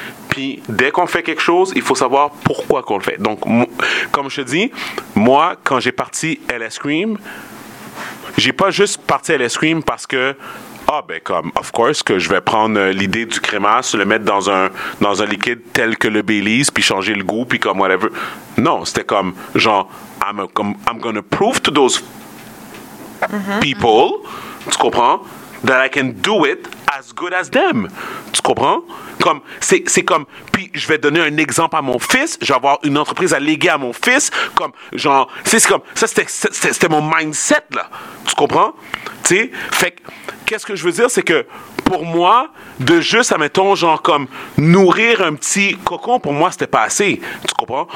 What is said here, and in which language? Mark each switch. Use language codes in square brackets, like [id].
[fr] Puis, dès qu'on fait quelque chose, il faut savoir pourquoi qu'on le fait. Donc, comme je te dis, moi, quand j'ai parti LS Cream, j'ai pas juste parti LS Cream parce que, [en] of course, [fr] que je vais prendre l'idée du crémasse, le mettre dans un liquide tel que le Baileys, puis changer le goût, puis comme whatever. Non, c'était comme, genre, [en] I'm gonna prove to those people, [fr] tu comprends, [en] that I can do it as good as them. [fr] Tu comprends? Comme, c'est comme, puis je vais donner un exemple à mon fils, je vais avoir une entreprise à léguer à mon fils, comme, genre, c'est comme, ça c'était mon mindset, là. Tu comprends? Tu sais, fait que, qu'est-ce que je veux dire, c'est que, pour moi, de juste, admettons, genre, comme, nourrir un petit cocon, pour moi, c'était pas assez. Tu comprends?